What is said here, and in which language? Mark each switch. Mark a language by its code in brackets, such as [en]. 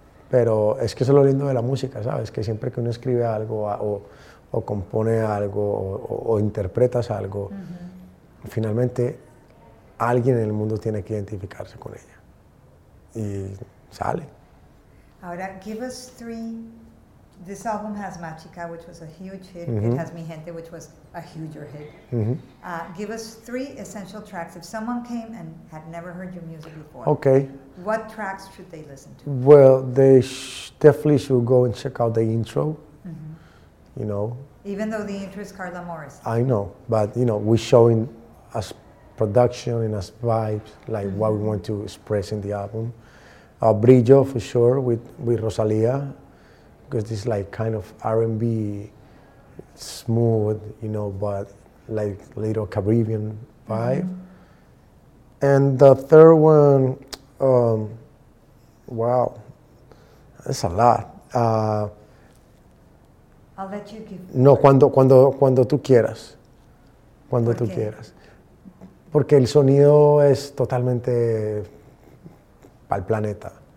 [es] Pero es que eso es lo lindo de la música, ¿sabes? Que siempre que uno escribe algo o compone algo o interpretas algo, uh-huh, finalmente alguien en el mundo tiene que identificarse con ella. Y sale. Ahora, [en] give us three. This album has Machica, which was a huge hit. Uh-huh. It has Mi Gente, which was a huger hit. Uh-huh. Give us three essential tracks. If someone came and had never heard your music before, okay, what tracks should they listen to? Well, they definitely should go and check out the intro. Mm-hmm. You know. Even though the intro is Carla Morris. I know, but you know, we're showing as production and as vibes, like, mm-hmm, what we want to express in the album. Brillo, for sure, with Rosalía. Because this like kind of R&B, smooth, you know, but like little Caribbean vibe. Mm-hmm. And the third one, wow, that's a lot. I'll let you give. [es] No, cuando tú quieras, cuando tú quieras, porque el sonido es totalmente pa'l planeta.